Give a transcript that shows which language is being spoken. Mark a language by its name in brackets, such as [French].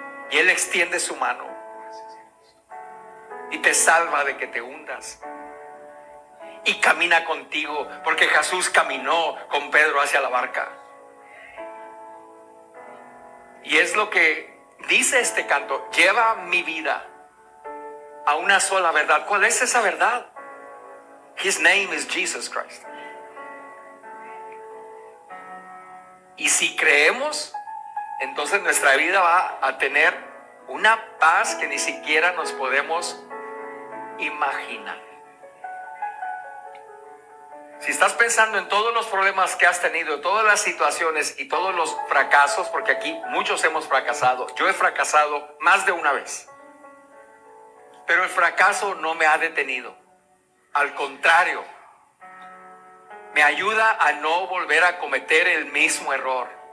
[Spanish] Y Él extiende su mano y te salva de que te hundas. Y camina contigo, porque Jesús caminó con Pedro hacia la barca. Y es lo que dice este canto: lleva mi vida a una sola verdad. ¿Cuál es esa verdad? [English] His name is Jesus Christ. [Spanish] Y si creemos, entonces nuestra vida va a tener una paz que ni siquiera nos podemos imaginar. Si estás pensando en todos los problemas que has tenido, todas las situaciones y todos los fracasos, porque aquí muchos hemos fracasado, yo he fracasado más de una vez, pero el fracaso no me ha detenido, al contrario, me ayuda a no volver a cometer el mismo error.